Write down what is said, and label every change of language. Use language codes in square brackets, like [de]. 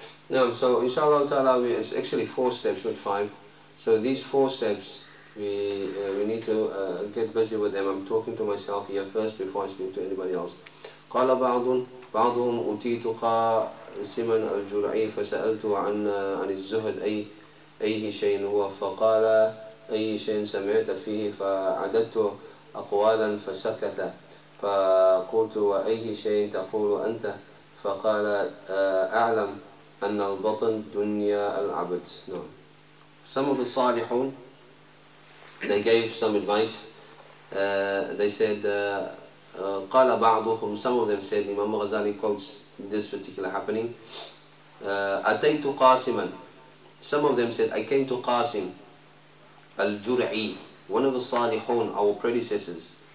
[en] No, so inshallah ta'ala, it's actually 4 steps, not 5. So these 4 steps, we need to get busy with them. I'm talking to myself here first before I speak to anybody else. [ar] قَالَ بَعْضُهُمْ أُتِيتُ قَاسِمًا الْجُرْعِي فَسَأَلْتُ عَنِ الزُّهْدِ أَيْهِ شَيْءٍ هُوَ فَقَالَ أَيْهِ شَيْءٍ سَمِعْتَ فِيهِ فَعَدَدْتُ أَقْوَالًا فَسَكَتَ فَقُلْتُ وَأَيْهِ شَيْءٍ تَقُولُ أَنْتَ فَقَالَ أَعْلَمُ أن البطن دنيا العبد. [en] No. Some of the Salihun, they gave some advice. They said, قال بعضهم, some of them said, Imam Ghazali quotes this particular happening. [ar] أتيت قاسما. [en] Some of them said, I came to Qasim al-Jur'i, one of the Salihun, our predecessors.